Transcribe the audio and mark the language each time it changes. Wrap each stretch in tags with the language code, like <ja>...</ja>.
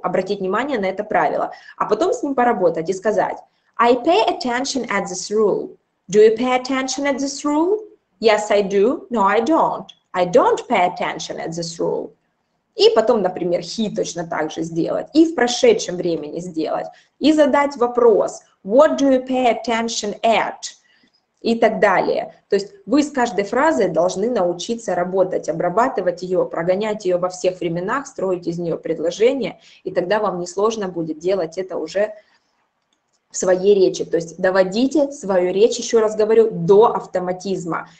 <ru>Обратить внимание на это правило. А потом с ним поработать и сказать.</ru> <en>I pay attention at this rule. Do you pay attention at this rule? Yes, I do. No, I don't. I don't pay attention at this rule.</en> <ru>И потом, например, he точно так же сделать. И в прошедшем времени сделать. И задать вопрос.</ru> <en>What do you pay attention at?</en> <ru>И так далее. То есть вы с каждой фразой должны научиться работать, обрабатывать ее, прогонять ее во всех временах, строить из нее предложение, и тогда вам несложно будет делать это уже в своей речи. То есть доводите свою речь, еще раз говорю, до автоматизма.</ru>